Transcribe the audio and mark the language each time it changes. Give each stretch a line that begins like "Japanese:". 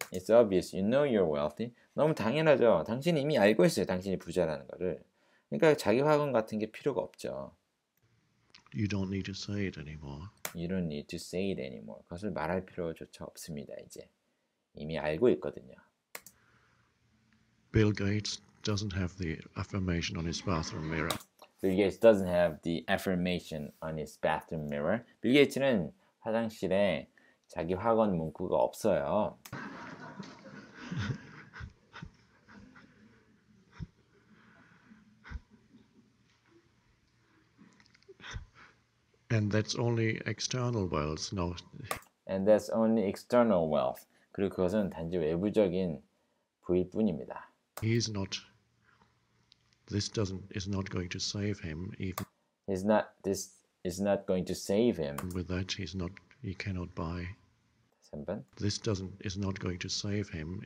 English: It's obvious you know you're wealthy.
Korean: 너무 당연하죠. 당신이 이미 알고 있어요. 당신이 부자라는 거를. 그러니까 자기 확언 같은 게 필요가 없죠.
English: You don't need to say it anymore. You don't need to say it anymore.
Korean: 그것을 말할 필요조차 없습니다. 이제 이미 알고 있거든요.
English: Bill Gates doesn't have the affirmation on his bathroom mirror. Bill Gates doesn't have the affirmation on his bathroom mirror.
Korean: Bill Gates는 화장실에 자기 확언 문구가 없어요.
English: And that's only external wealth. No. And that's only external wealth.
Korean: 그리고 그것은 단지 외부적인 부일 뿐입니다.
English: He's not. This doesn't is not going to save him. Even. He's not. This is not going to save him. With that, he's not. He cannot buy.
Korean: 3번.
English: This doesn't is not going to save him.